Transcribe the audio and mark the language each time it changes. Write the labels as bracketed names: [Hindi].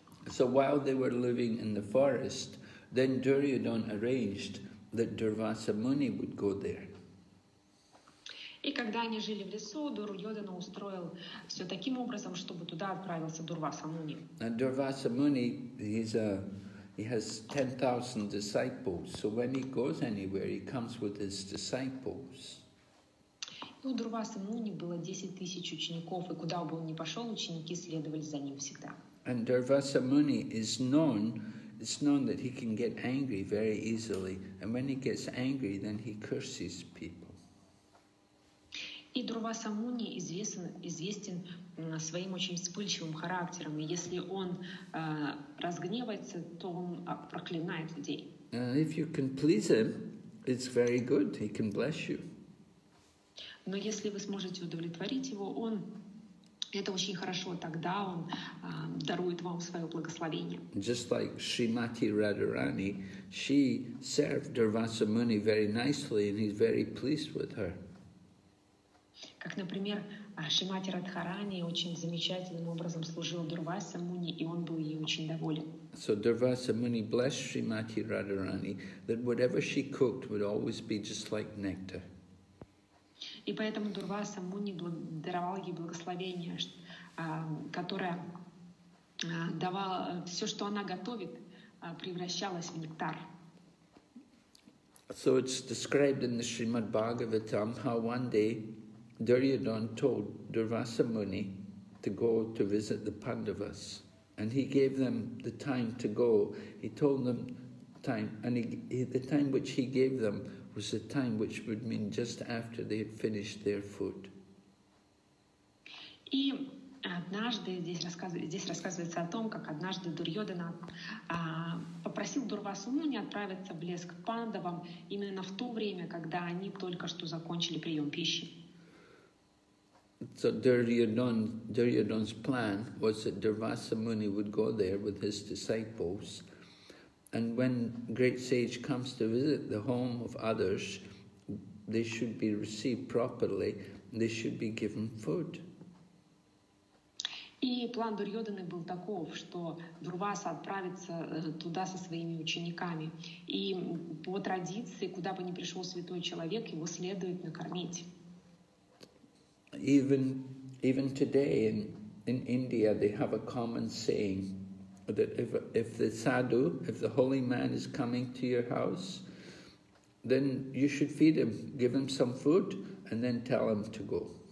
[English] So while they were living in the forest, then Duryodhana arranged that Durvasa Muni would go there. [Russian] И когда они жили в лесу, Дурьёдана устроил все таким образом, чтобы туда отправился Дурваса Муни. [English] And Durvasa Muni, he has 10,000 disciples, so when he goes anywhere, he comes with his disciples. [Russian] У Дурвасы Муни было 10,000 учеников, и куда бы он ни пошел, ученики следовали за ним всегда. [English] And Durvasa Muni is known, it's known that he can get angry very easily, and when he gets angry, then he curses people. [Russian] И Дурваса Муни известен своим очень вспыльчивым характером, и если он разгневается, то он проклинает людей. [English] If you can please him, it's very good. He can bless you. [Russian] Но если вы сможете удовлетворить его, он это очень хорошо. Тогда он дарует вам свое благословение. [English] Just like Srimati Radharani, she served Durvasa Muni very nicely, and he's very pleased with her. [Russian] Как, например, Шримати Радхарани очень замечательным образом служила Дурваса Муни, и он был ей очень доволен. [English] So Durvasa Muni blessed Shrimati Radharani that whatever she cooked would always be just like nectar. [Russian] И поэтому Дурваса Муни даровал ей благословение, которое давало все, что она готовит, превращалось в нектар. [English] So it's described in the Srimad Bhagavatam how one day Duryodhana told Durvasa Muni to go to visit the Pandavas, and he gave them the time to go. He told them time, and the time which he gave them was the time which would mean just after they had finished their food. [Russian] И однажды здесь рассказывается о том, как однажды Дурьёдана попросил Дурвасу Муни отправиться в лес к Пандавам именно в то время, когда они только что закончили прием пищи. [English] So Duryodhana's plan was that Durvasa Muni would go there with his disciples, and when great sage comes to visit the home of others, they should be received properly, they should be given food. [Russian] И план Дурьёданы был таков, что Дурваса отправится туда со своими учениками, и по традиции, куда бы ни пришел святой человек, его следует накормить. [English] Even today in India, they have a common saying that if the sadhu, if the holy man is coming to your house, then you should feed him, give him some food, and then tell him to go.